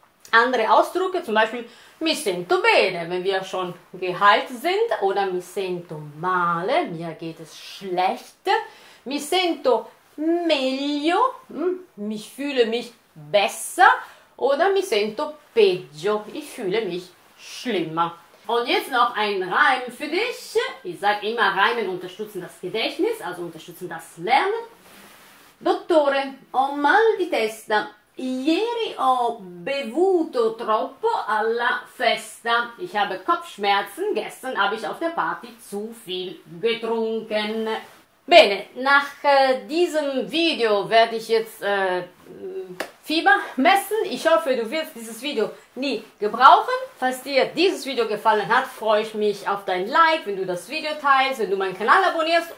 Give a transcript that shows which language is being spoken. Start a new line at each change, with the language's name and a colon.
German: Andere Ausdrücke, zum Beispiel
Italian: mi sento bene,
German: wenn wir schon geheilt sind, oder
Italian: mi sento male,
German: mir geht es schlecht,
Italian: mi sento meglio,
German: mi fühle mich besser, oder
Italian: mi sento peggio,
German: ich fühle mich schlimmer. Und jetzt noch ein Reim für dich. Ich sage immer, Reimen unterstützen das Gedächtnis, also unterstützen das Lernen.
Italian: Dottore, ho mal di testa. Ieri ho bevuto troppo alla festa.
German: Ich habe Kopfschmerzen. Gestern habe ich auf der Party zu viel getrunken. Bene, nach diesem Video werde ich jetzt Fieber messen. Ich hoffe, du wirst dieses Video nie gebrauchen. Falls dir dieses Video gefallen hat, freue ich mich auf dein Like, wenn du das Video teilst, wenn du meinen Kanal abonnierst.